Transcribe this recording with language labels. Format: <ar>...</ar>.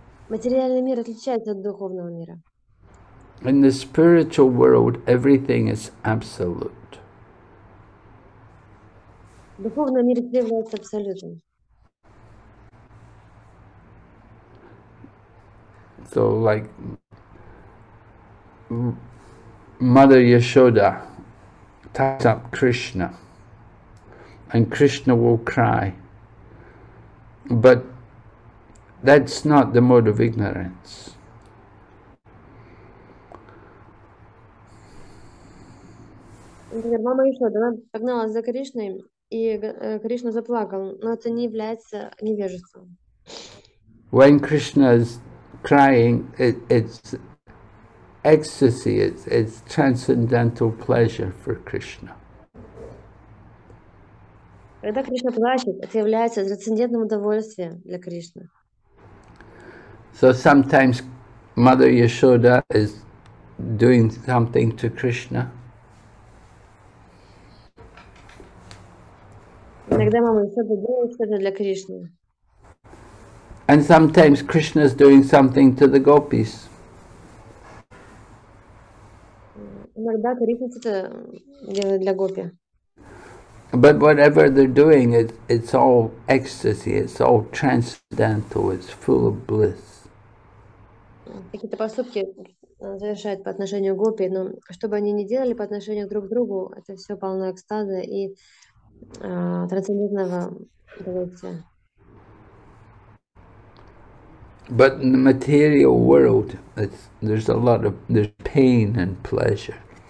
<ru>Материальный мир отличается от духовного мира.</ru> <en>In the spiritual world, everything is absolute.</en> <ru>Духовный мир является абсолютным.</ru> <en>So like Mother Yashoda ties up Krishna and Krishna will cry. But that's not the mode of ignorance.</en> <ru>Мама Яшода погналась за Кришной. И Кришна заплакал, но это не является невежеством.</ru> <en>When Krishna is crying, it's ecstasy, it's transcendental pleasure for Krishna.</en> <ru>Когда Кришна плачет, это является трансцендентным удовольствием для Кришны.</ru> <en>So sometimes Mother Yashoda is doing something to Krishna.</en> <ru>Иногда мама что-то делает, что-то для Кришны.</ru> <en>And sometimes Krishna is doing something to the gopis.</en> <ru>Иногда Кришна что-то делает для гопи.</ru> <en>But whatever they're doing, it's all ecstasy, it's all transcendental, it's full of bliss.</en> <ru>Какие-то поступки завершают по отношению к гопи, но что бы они ни делали по отношению друг к другу, это все полно экстаза и трансцендентного удовольствия.</ru> <en>But in the material world, there's pain and pleasure.</en>